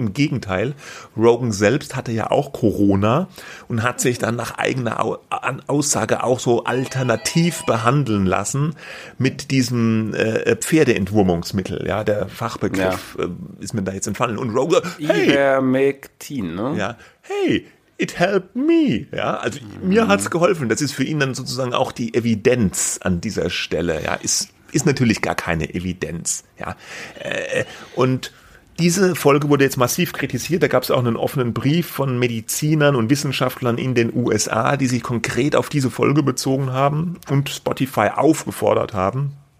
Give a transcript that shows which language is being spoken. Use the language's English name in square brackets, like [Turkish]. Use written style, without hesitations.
[German] Im Gegenteil, Rogan selbst hatte ja auch Corona und hat sich dann nach eigener Aussage auch so alternativ behandeln lassen mit diesem Pferdeentwurmungsmittel. Ja, der Fachbegriff ist mir da jetzt entfallen. Und Rogan, hey! Ivermectin, ne? Ja, hey! [English] It helped me, [German] ja, also mir hat's geholfen. Das ist für ihn dann sozusagen auch die Evidenz an dieser Stelle, ja, ist natürlich gar keine Evidenz, ja. Und diese Folge wurde jetzt massiv kritisiert, da gab's auch einen offenen Brief von Medizinern und Wissenschaftlern in den USA, die sich konkret auf diese Folge bezogen haben und Spotify aufgefordert haben,